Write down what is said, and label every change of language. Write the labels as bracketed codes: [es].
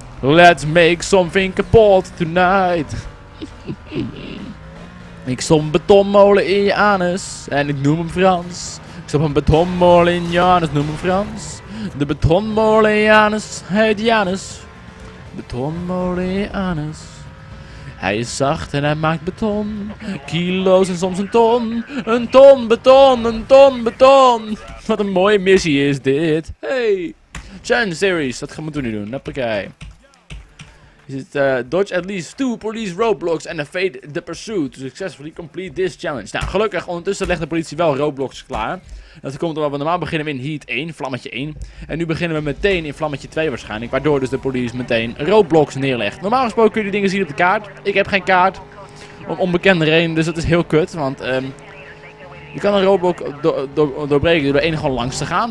[en] Let's make something kapot tonight. [nl] Ik stop een betonmolen in je anus. En ik noem hem Frans. Ik stop een betonmolen in je anus. Noem hem Frans. De betonmolen in je anus. Heet Janus. Betonmolen in je anus. Hij is zacht en hij maakt beton. Kilo's en soms een ton. Een ton beton. Een ton beton. Wat een mooie missie is dit. Hey. Challenge series. Dat gaan we nu doen. Hoppakee. [en] Dodge at least 2 police roadblocks and evade the pursuit to successfully complete this challenge. [nl] Nou, gelukkig, ondertussen legt de politie wel roadblocks klaar. Dat komt omdat we normaal beginnen in heat 1, vlammetje 1. En nu beginnen we meteen in vlammetje 2 waarschijnlijk, waardoor dus de politie meteen roadblocks neerlegt. Normaal gesproken kun je die dingen zien op de kaart. Ik heb geen kaart, om onbekende redenen, dus dat is heel kut. Want je kan een roadblock doorbreken door één gewoon langs te gaan.